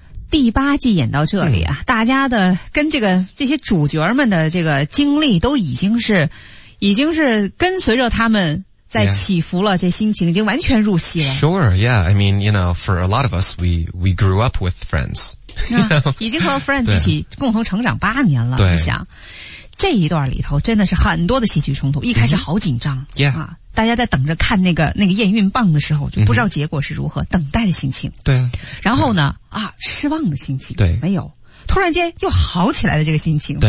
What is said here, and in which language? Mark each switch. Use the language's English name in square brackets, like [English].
[Chinese] 第八季演到这里啊，大家的跟这些主角们的这个经历都已经是跟随着他们在起伏了， yeah. 这心情已经完全入戏了。 [English] Sure, yeah. I mean, you know, for a lot of us, we grew up with friends. You know? [Chinese] 已经和 friends 一起共同成长八年了，对，你想。这一段里头真的是很多的戏剧冲突，一开始好紧张。 Mm-hmm. Yeah. 大家在等着看那个验孕棒的时候，就不知道结果是如何，嗯，等待的心情。对啊。然后呢，啊，失望的心情。对。没有。突然间又好起来的这个心情。